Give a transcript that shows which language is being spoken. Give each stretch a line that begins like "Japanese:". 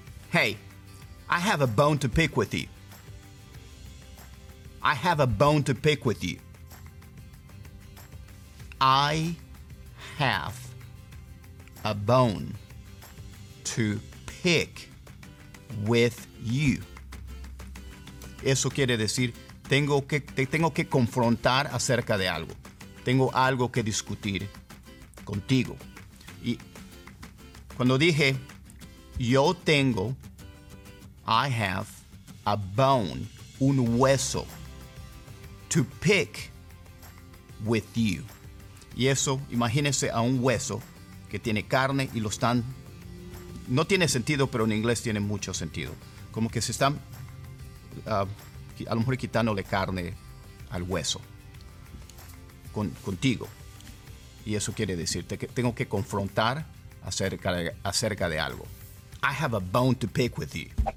English: Hey, I have a bone to pick with you. I have a bone to pick with you. I have a bone to pick with you.
Spanish: Eso quiere decir, tengo que confrontar acerca de algo. Tengo algo que discutir contigo. Y cuando dije, yo tengo,
English: I have a bone,
Spanish: un hueso,
English: to pick with you.
Spanish: Y eso, imagínense a un hueso que tiene carne y lo están, no tiene sentido, pero en inglés tiene mucho sentido. Como que se están, a lo mejor quitándole carne al hueso contigo. Y eso quiere decirte que tengo que confrontar acerca de algo.
English: I have a bone to pick with you.